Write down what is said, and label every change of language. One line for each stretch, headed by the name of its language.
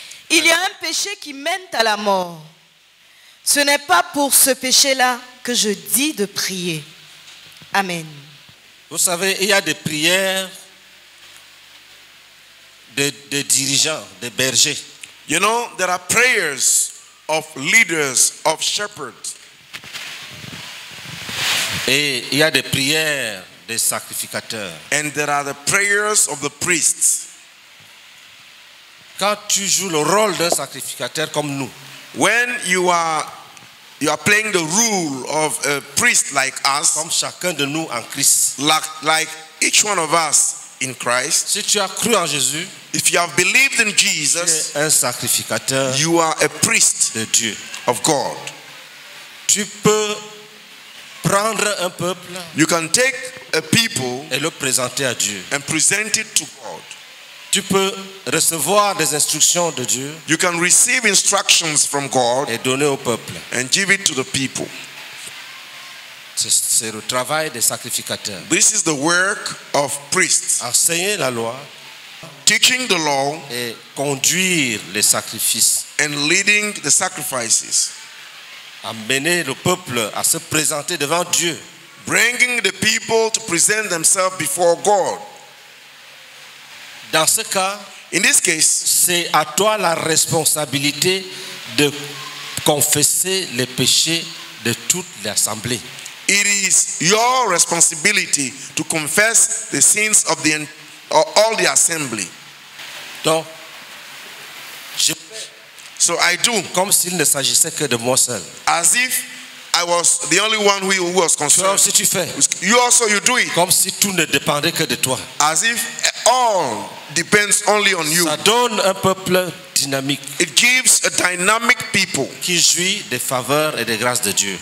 French: Il y a un péché qui mène à la mort. Ce n'est pas pour ce péché-là que je dis de prier. Amen. Vous savez, il y a des prières de dirigeants, de bergers.
English: You know, there are prayers of leaders, of shepherds.
French: Et il y a des prières des sacrificateurs.
English: And there are the prayers of the priests.
French: Quand tu joues le rôle d'un sacrificateur comme nous,
English: when you are playing the role of a priest like us,
French: comme chacun de nous en Christ,
English: like each one of us in Christ,
French: si tu as cru en Jésus,
English: if you have believed in Jesus,
French: tu es un sacrificateur,
English: you are a priest
French: de Dieu,
English: of God.
French: Tu peux prendre un peuple,
English: you can take a people,
French: et le présenter à Dieu,
English: and present it to God.
French: Tu peux recevoir des instructions de Dieu,
English: you can receive instructions from God,
French: et donner au peuple,
English: and give it to the people.
French: C'est le travail des sacrificateurs.
English: This is the work of priests.
French: Enseigner la loi,
English: teaching the law,
French: et conduire les sacrifices,
English: and leading the sacrifices.
French: Amener le peuple à se présenter devant Dieu,
English: bringing the people to present themselves before God.
French: Dans ce cas,
English: in this case,
French: c'est à toi la responsabilité de confesser les péchés de toute l'assemblée.
English: It is your responsibility to confess the sins of the or all the assembly.
French: Donc, je
English: so I do.
French: Comme s'il ne s'agissait que de moi seul.
English: As if I was the only one who was concerned.
French: Toi aussi tu fais.
English: You also you do it.
French: Comme si tout ne dépendait que de toi.
English: As if all depends only on you.
French: Ça donne un peuple dynamique.
English: It gives a dynamic people
French: qui jouit des faveurs et des grâces de Dieu.